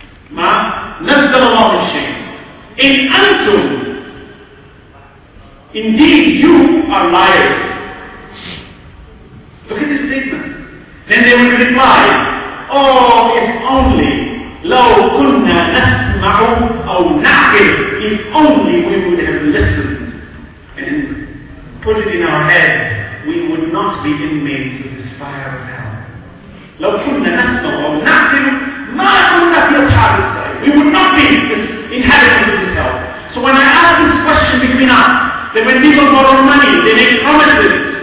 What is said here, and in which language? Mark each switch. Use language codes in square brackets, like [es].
[en] Ma, [ar] نَزَّلَ اللَّهُ الشَّيْءِ إِنْ أَنْتُمْ [en] Indeed, you are liars. Look at this statement. Then they will reply, "Oh, if only [ar] لو كنا نسمع أو نعقل, [en] if only we would have listened and put it in our head, we would not be inmates of this fire of hell. [ar] لو كنا نسمع أو نعقل ما كنا في الحارة." [en] We would not be this inhabitants of this hell. So when I ask this question between us, that when people borrow money, they make promises.